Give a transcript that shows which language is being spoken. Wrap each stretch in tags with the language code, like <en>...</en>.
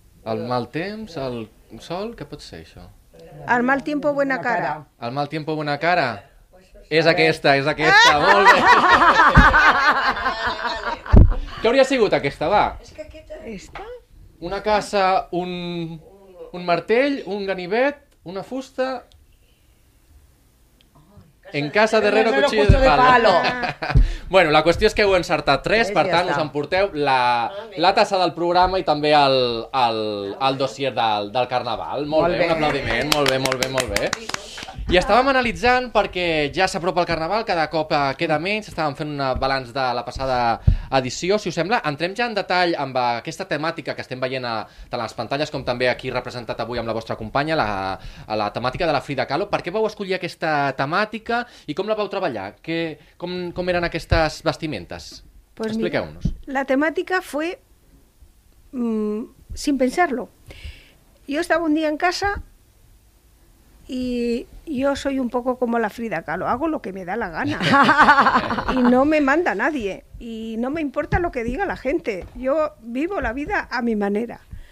<ca>El mal temps, el sol, què pot ser això?</ca> <es>El mal tiempo, buena cara. El mal tiempo, buena cara.</es> <ca>És aquesta, molt bé. Què hauria sigut aquesta, va? És que aquesta... Una casa, un martell, un ganivet, una fusta...</ca> <es>En casa d'herrero, cuchillo de palo.</es> <ca>Bueno, la qüestió és que heu encertat tres, per tant, us emporteu la tassa del programa i també el dossier del carnaval. Molt bé, un aplaudiment. Molt bé, molt bé, molt bé. I estàvem analitzant perquè ja s'apropa el carnaval, cada cop queda menys, estàvem fent un balanç de la passada edició, si us sembla. Entrem ja en detall amb aquesta temàtica que estem veient tant a les pantalles com també aquí representat avui amb la vostra companya, la temàtica de la Frida Kahlo. Per què vau escollir aquesta temàtica i com la vau treballar? Com eren aquestes vestimentes? Pues expliqueu-nos.</ca> <es>Mira, la temàtica fue sin pensarlo. Yo estaba un día en casa... Y yo soy un poco como la Frida Kahlo, hago lo que me da la gana y no me manda nadie y no me importa lo que diga la gente, yo vivo la vida a mi manera.</es>